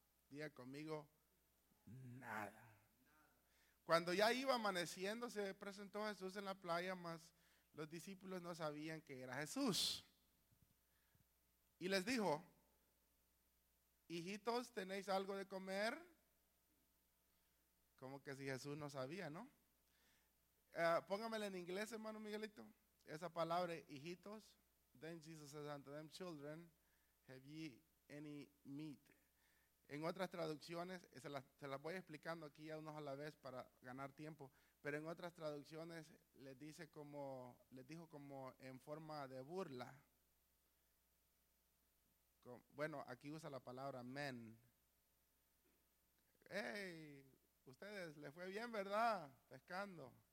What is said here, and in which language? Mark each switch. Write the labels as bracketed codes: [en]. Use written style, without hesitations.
[es] Diga conmigo, nada. Cuando ya iba amaneciendo se presentó Jesús en la playa, mas los discípulos no sabían que era Jesús. Y les dijo, hijitos, ¿tenéis algo de comer? Como que si Jesús no sabía, ¿no? Póngamela en inglés, hermano Miguelito. Esa palabra, hijitos. [en] Then Jesus says unto them, children, have ye any meat? [es] En otras traducciones, se las voy explicando aquí a unos a la vez para ganar tiempo. Pero en otras traducciones, les dijo como en forma de burla. Bueno, aquí usa la palabra men. Hey, ustedes, les fue bien, ¿verdad? Pescando.